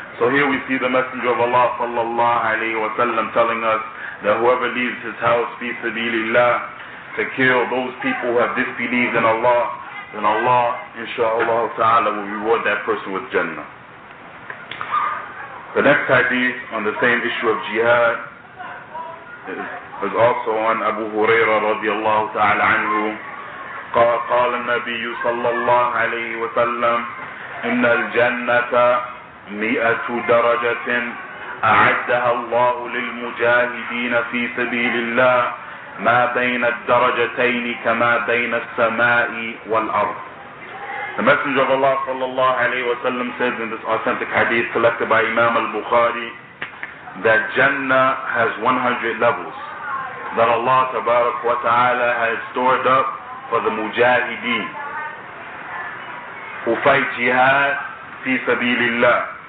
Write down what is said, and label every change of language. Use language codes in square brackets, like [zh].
[en] So here we see the Messenger of Allah sallallahu alayhi wa sallam telling us that whoever leaves his house fi sabilillah to kill those people who have disbelieved in Allah, then Allah inshallah ta'ala will reward that person with Jannah. The next hadith on the same issue of jihad is also on Abu Huraira radiallahu ta'ala anhu. [ar] قال النبي صلى الله عليه وسلم إن الجنة 100 درجة أعدها الله للمجاهدين في سبيل الله ما بين الدرجتين كما بين السماء والأرض. [en] The Messenger of Allah sallallahu alayhi wa sallam says in this authentic hadith collected by Imam al-Bukhari that Jannah has 100 levels that Allah tabarak wa ta'ala has stored up for the mujahideen who fight jihad fi sabilillah.